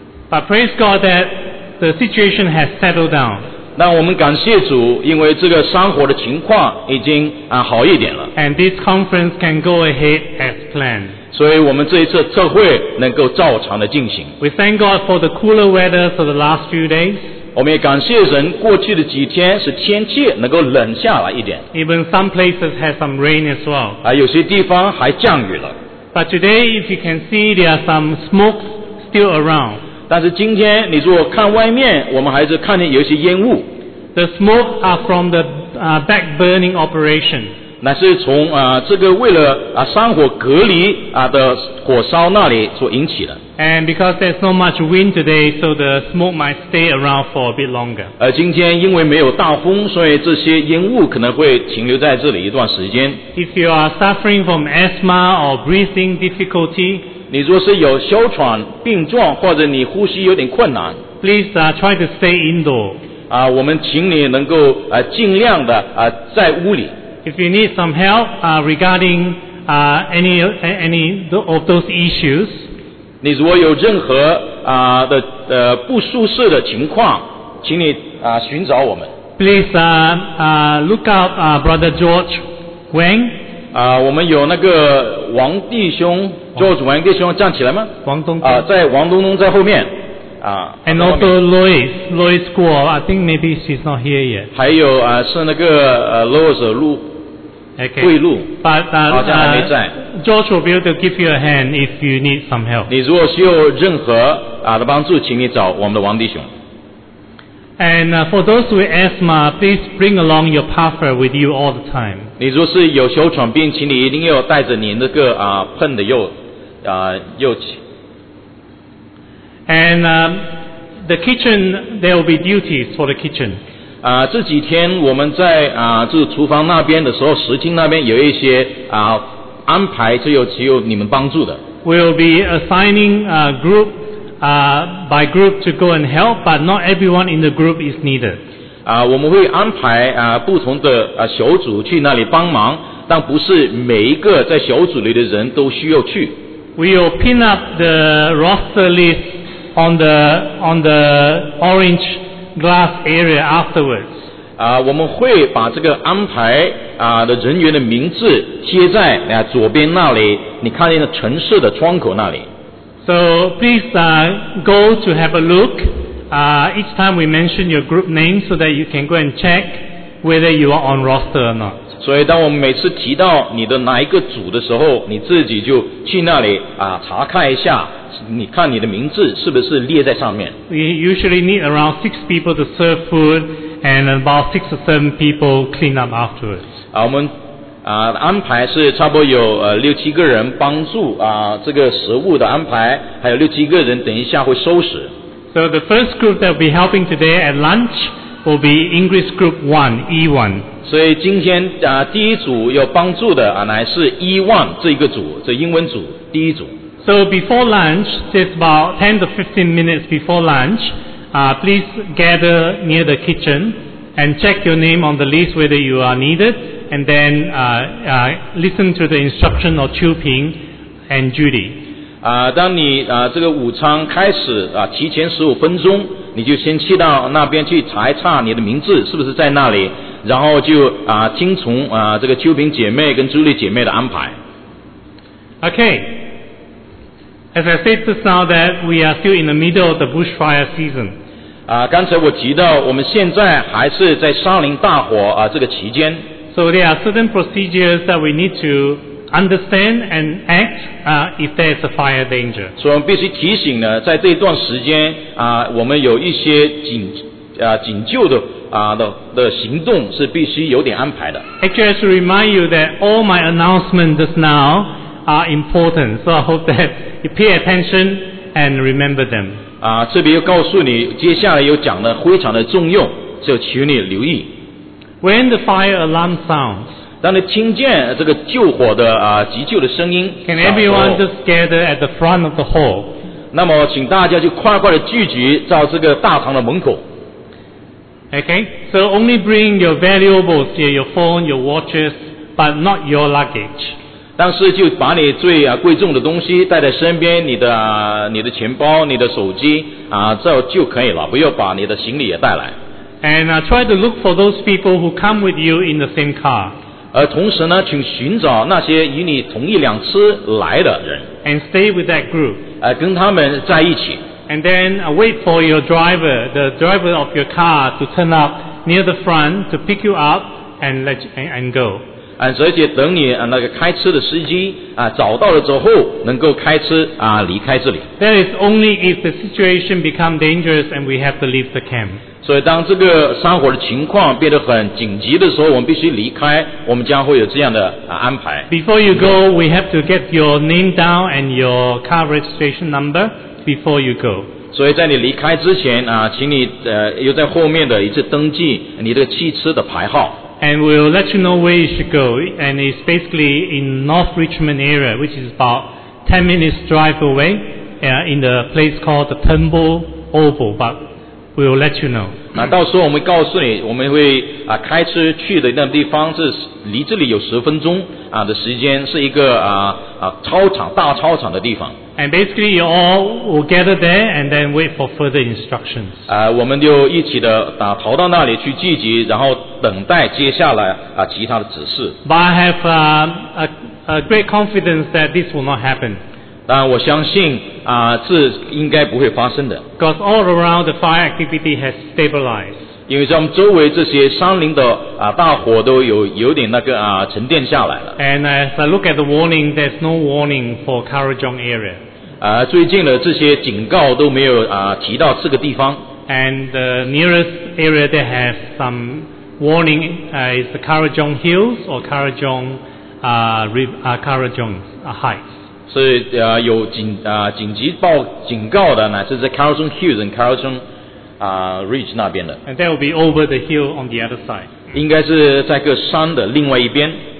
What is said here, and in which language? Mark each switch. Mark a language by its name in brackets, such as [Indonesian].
[English] But praise God that the situation has settled down. [Chinese] 那我们感谢主，因为这个山火的情况已经好一点了。 [English] And this conference can go ahead as planned. [Chinese] 所以我们这一次特会能够照常的进行。 [English] We thank God for the cooler weather for the last few days. [Chinese] 我们也感谢神，过去的几天是天气能够冷下来一点。 [English] Even some places had some rain as well. [Chinese] 有些地方还降雨了。 [English] But today, if you can see, there are some smoke still around. [Chinese] 但是今天你如果看外面，我们还是看见有一些烟雾。 [English] The smoke are from the back-burning operation. [Chinese] 乃是从这个为了山火隔离的火烧那里所引起的。 [English] And because there's not much wind today, so the smoke might stay around for a bit longer. [Chinese] 今天因为没有大风，所以这些烟雾可能会停留在这里一段时间。 [English] If you are suffering from asthma or breathing difficulty, [Chinese] 你若是有哮喘病状或者你呼吸有点困难 [English] ，please try to stay indoor. [Chinese] 我们请你能够尽量的在屋里。 [English] If you need some help regarding any of those issues, [Chinese] 你如果有任何不舒适的情况，请你寻找我们。 [English] Please look up Brother George Wang. [Chinese] 我们有那个王弟兄 George Wang 弟兄站起来吗？王东在王东东在后面。 [English] And also Louis Guo. I think maybe she's not here yet. [Chinese] 还有是那个Louis 路。 [English] Okay. But George will be able to give you a hand if you need some help. [Chinese] 你如果需要任何的帮助，请你找我们的王弟兄。 [English] And for those with asthma, please bring along your puffer with you all the time. [Chinese] 你若是有哮喘病，请你一定要带着你那个喷的药药剂。 [English] And the kitchen, there will be duties for the kitchen. [Chinese] 这几天我们在就是厨房那边的时候，食厅那边有一些安排，只有你们帮助的。 [English] We'll be assigning a group by group to go and help, but not everyone in the group is needed. [Chinese] 我们会安排不同的小组去那里帮忙，但不是每一个在小组里的人都需要去。 [English] We'll pin up the roster list on the orangeglass area afterwards. [Chinese] 我们会把这个安排的人员的名字贴在左边那里，你看见的城市的窗口那里。 [English] So please go to have a look. Each time we mention your group name, so that you can go and check whether you are on roster or not. [Chinese] 所以当我们每次提到你的哪一个组的时候，你自己就去那里查看一下。你看你的名字是不是列在上面 [English] ？We usually need around 6 people to serve food and about 6 or 7 people clean up afterwards. [Chinese] 我们安排是差不多有六七个人帮助这个食物的安排，还有六七个人等一下会收拾。 [English] So the first group that will be helping today at lunch will be English Group 1, E1. [Chinese] 所以今天第一组要帮助的乃是 E1 这一个组，这英文组第一组。 [English] So before lunch, just about 10 to 15 minutes before lunch, please gather near the kitchen and check your name on the list whether you are needed and then listen to the instruction of Chiu Ping and Judy. [Chinese] 当你这个午餐开始提前15分钟，你就先去到那边去查一查你的名字是不是在那里，然后就听从这个Chiu Ping姐妹跟Judy姐妹的安排。 [English] Okay. As I said just now that we are still in the middle of the bushfire season. [Chinese] 刚才我提到我们现在还是在山林大火这个期间。 [English] So there are certain procedures that we need to understand and act if there is a fire danger. [Chinese] 所以我们必须提醒呢，在这段时间我们有一些紧急的行动是必须有点安排的。 [English] Actually, I should remind you that all my announcements just now are important. So I hope that you pay attention and remember them. [Chinese] 这边又告诉你，接下来又讲的非常的重要，就求你留意。 [English] When the fire alarm sounds, [Chinese] 当你听见这个救火的急救的声音 [English] ，Can everyone just gather at the front of the hall? [Chinese] 那么，请大家就快快的聚集到这个大堂的门口。 [English] Okay, so only bring your valuables, your phone, your watches, but not your luggage. [Chinese] 但是就把你最贵重的东西带在身边，你的钱包，你的手机这就可以了，不要把你的行李也带来。 [English] And try to look for those people who come with you in the same car. [Chinese] 而同时呢，请寻找那些与你同一辆车来的人。 [English] And stay with that group. [Chinese] 跟他们在一起。 [English] And then wait for your driver, the driver of your car, to turn up near the front to pick you up and go. [Chinese] 所以等你那个开车的司机找到了之后，能够开车离开这里。 [English] That is only if the situation becomes dangerous and we have to leave the camp. [Chinese] 所以当这个山火的情况变得很紧急的时候，我们必须离开，我们将会有这样的安排。 [English] Before you go, we have to get your name down and your car registration number. Before you go. [Chinese] 所以在你离开之前请你又在后面的一次登记你的汽车的牌号。 [English] And we'll let you know where you should go. And it's basically in North Richmond area, which is about 10 minutes drive away, in the place called the Turnbull Oval. But we'll let you know. [Chinese] 那到时候我们告诉你，我们会开车去的那地方是离这里有十分钟的时间，是一个操场大操场的地方。 [English] And basically, you all will gather there and then wait for further instructions. [Chinese] 我们就一起的逃到那里去聚集，然后等待接下来其他的指示。 [English] But I have a great confidence that this will not happen. [Chinese] 但我相信是应该不会发生的。 [English] Because all around the fire activity has stabilized. [Chinese] 因为在我们周围这些山林的大火都有点那个沉淀下来了。 [English] And as I look at the warning, there's no warning for Karajong area. [Chinese] 最近的这些警告都没有提到这个地方。 [English] And the nearest area that has some warning is the Karajong Hills or Karajong Karajong Heights. [Chinese] 是有紧急报警告的呢，是在 [English] Karajong Hills and Karajong Ridge [Chinese] 那边的。 [English] And that will be over the hill on the other side. [Chinese] 应该是在个山的另外一边。